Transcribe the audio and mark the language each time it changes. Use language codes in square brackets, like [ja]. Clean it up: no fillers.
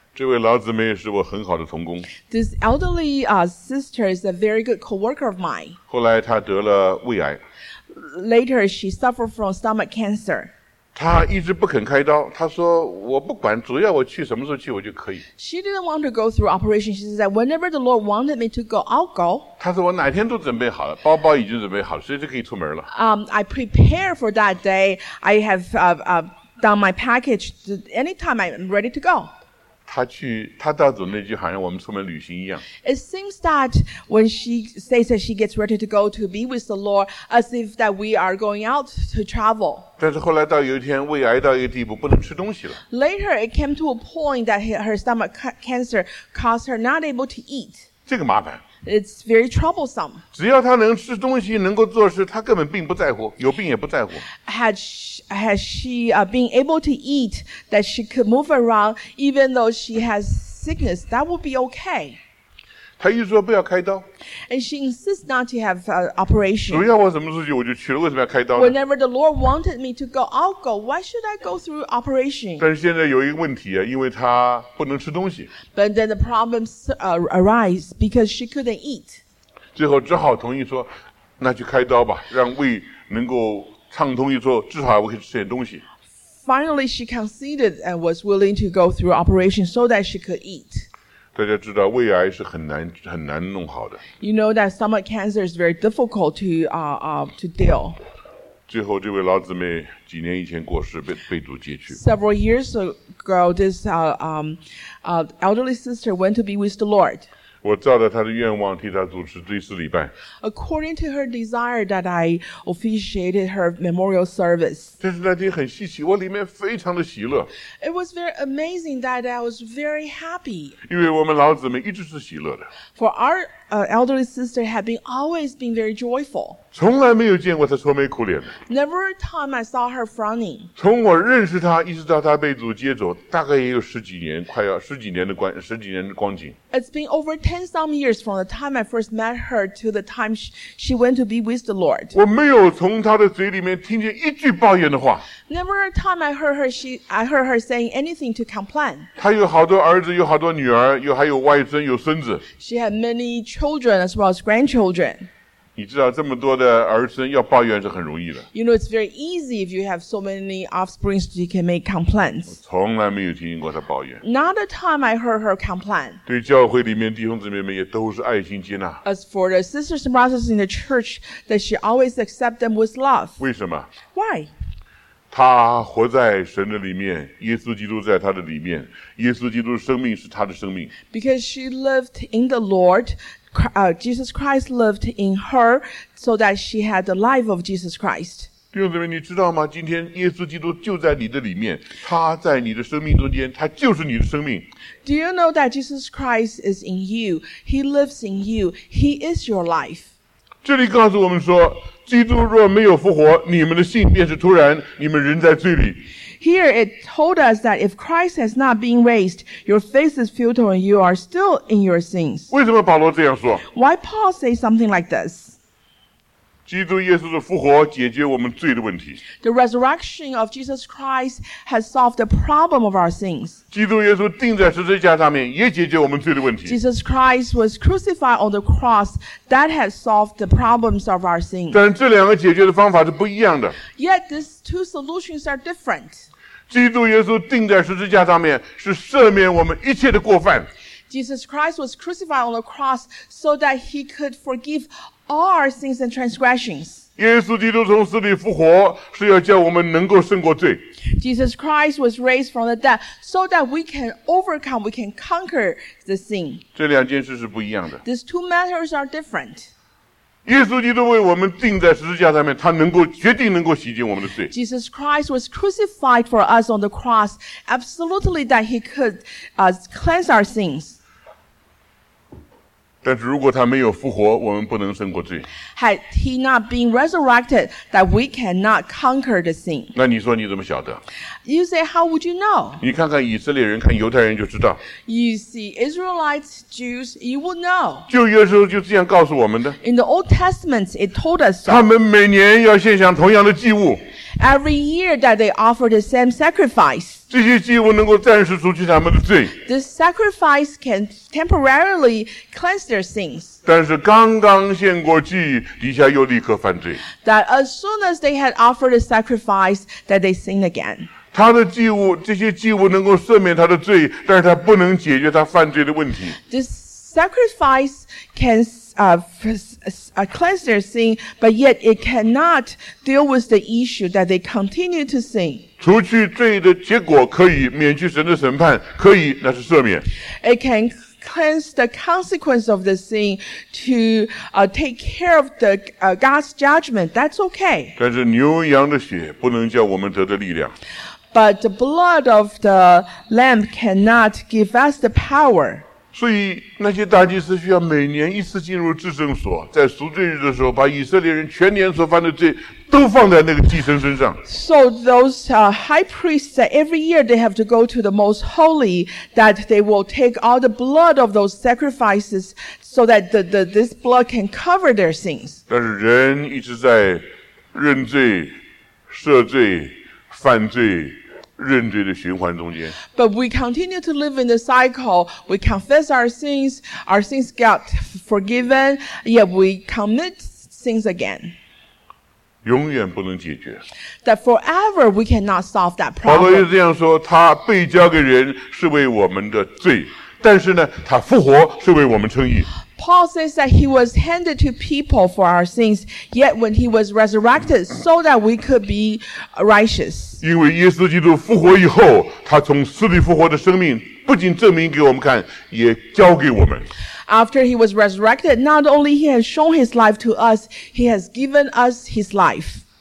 [zh] 这位老姊妹是我很好的同工。 [en] This elderly sister is a very good co-worker of mine. [zh] 后来她得了胃癌。 [en] Later, she suffered from stomach cancer. [zh] 她一直不肯开刀，她说我不管，主要我去什么时候去我就可以。 [en] She didn't want to go through operation. She said that whenever the Lord wanted me to go, I'll go. [zh] 她说我哪天都准备好了，包包已经准备好了，随时可以出门了。 [en] I prepare for that day. I have done my package. Anytime I'm ready to go. [zh] 她到总那句好像我们出门旅行一样。 [en] It seems that when she says that she gets ready to go to be with the Lord, as if that we are going out to travel. [zh] 但是后来到有一天胃癌到一个地步不能吃东西了。 [en] Later, it came to a point that her stomach cancer caused her not able to eat. [zh] 这个麻烦。 [en] It's very troublesome. [zh] 只要她能吃东西能够做事她根本并不在乎，有病也不在乎。 [en] Had she been able to eat that she could move around even though she has sickness, that would be okay. [zh] 他一直说不要开刀。 [en] And she insists not to have an operation. [zh] 主要我什么时候去我就去了，为什么要开刀呢？ [en] Whenever the Lord wanted me to go, I'll go. Why should I go through operation? [zh] 但是现在有一个问题啊，因为他不能吃东西。 [en] But then the problems arise because she couldn't eat. [zh] 最后只好同意说，那去开刀吧，让胃能够畅通一说，至少我可以吃点东西。 [en] Finally, she conceded and was willing to go through operation so that she could eat. [zh] 大家知道胃癌是很难弄好的。 [en] You know that stomach cancer is very difficult to deal. [zh] 最后这位老姊妹几年以前过世，被主接去。 [en] Several years ago, this elderly sister went to be with the Lord. [zh] 我照着她的愿望替她主持追思礼拜。 [en] According to her desire that I officiated her memorial service. [zh] 但是那天很稀奇，我里面非常的喜乐。 [en] It was very amazing that I was very happy. [zh] 因为我们老姊妹一直是喜乐的。 [en] For our elderly sister had been always been very joyful. [zh] 从来没有见过她愁眉苦脸的。 [en] Never a time I saw her frowning. [zh] 从我认识她一直到她被主接走，大概也有十几年，快要十几年的光，十几年的光景。 [en] It's been over 10 some years from the time I first met her to the time she went to be with the Lord. [zh] 我没有从她的嘴里面听见一句抱怨的话。 [en] Never a time I heard her saying anything to complain. [zh] 她有好多儿子，有好多女儿，又还有外孙，有孙子。 [en] She had many children as well as grandchildren. [zh] 你知道这么多的儿孙要抱怨是很容易的。 [en] You know, it's very easy if you have so many offsprings you can make complaints. [zh] 我从来没有听过她抱怨。 [en] Not a time I heard her complain. [zh] 对教会里面弟兄姊妹们也都是爱心接纳。 [en] As for the sisters and brothers in the church, that she always accept them with love. [zh] 为什么？ [en] Why? [zh] 他活在神的里面，耶稣基督在他的里面，耶稣基督的生命是他的生命。 [en] Because she lived in the Lord, Jesus Christ lived in her, so that she had the life of Jesus Christ. [zh] 弟兄姊妹，你知道吗？今天耶稣基督就在你的里面，他在你的生命中间，他就是你的生命。 [en] Do you know that Jesus Christ is in you? He lives in you. He is your life. [zh] 这里告诉我们说基督若没有复活，你们的信便是徒然，你们仍在罪里。 [en] Here it told us that if Christ has not been raised, your faith is futile and you are still in your sins. [zh] 为什么保罗这样说？ [en] Why Paul say something like this? [zh] 基督耶稣的复活解决我们罪的问题。 [en] The resurrection of Jesus Christ has solved the problem of our sins. [zh] 基督耶稣钉在十字架上面也解决我们罪的问题。 [en] Jesus Christ was crucified on the cross. That has solved the problems of our sins. [zh] 但这两个解决的方法是不一样的。 [en] Yet these two solutions are different. [zh] 基督耶稣钉在十字架上面是赦免我们一切的过犯。 [en] Jesus Christ was crucified on the cross so that he could forgive all our sins and transgressions. [zh] 耶稣基督从死里复活是要叫我们能够胜过罪。 [en] Jesus Christ was raised from the dead so that we can overcome, we can conquer the sin. [zh] 这两件事是不一样的。 [en] These two matters are different. [zh] 耶稣基督为我们钉在十字架上面，他能够决定能够洗净我们的罪。 [en] Jesus Christ was crucified for us on the cross, absolutely that he could, cleanse our sins. [zh] 但是如果他没有复活，我们不能胜过罪。 [en] Had he not been resurrected, that we cannot conquer the sin. [zh] 那你说你怎么晓得？ [en] You say, how would you know? [zh] 你看看以色列人，看犹太人就知道。 [en] You see, Israelites, Jews, you would know. [zh] 旧约时候就这样告诉我们的。 [en] In the Old Testament, it told us so. [zh] 他们每年要献上同样的祭物。 [en] Every year that they offer the same sacrifice. [zh] 这些祭物能够暂时除去他们的罪。 [en] The sacrifice can temporarily cleanse their sins. [zh] 但是刚刚献过祭，底下又立刻犯罪。 [en] That as soon as they had offered a sacrifice, that they sin again. [zh] 他的祭物，这些祭物能够赦免他的罪，但是他不能解决他犯罪的问题。 [en] This sacrifice can cleanse their sin, but yet it cannot deal with the issue that they continue to sin. [zh] 除去罪的结果可以免去神的审判，可以，那是赦免。 [en] It can cleanse the consequence of the sin to take care of the God's judgment. That's okay. [zh] 但是牛羊的血不能叫我们得的力量。 [en] But the blood of the lamb cannot give us the power. [zh] 所以那些大祭司需要每年一次进入至圣所，在赎罪日的时候，把以色列人全年所犯的罪都放在那个祭牲身上。 [en] So those high priests every year they have to go to the most holy, that they will take all the blood of those sacrifices, so that this blood can cover their sins. [zh] 但是人一直在认罪、赦罪、犯罪。认罪的循环中间。 [en] But we continue to live in the cycle. We confess our sins got forgiven, yet we commit sins again. [zh] 永远不能解决。 [en] That forever we cannot solve that problem. [zh] 保罗就这样说，他被交给人是为我们的罪，但是呢，他复活是为我们称义。 [en] Paul says that he was handed to people for our sins, yet when he was resurrected, so that we could be righteous. [zh] 因为耶稣基督复活以后，他从死里复活的生命，不仅证明给我们看，也教给我们。 [en] After he was resurrected, not only he has shown his life to us, he has given us his life.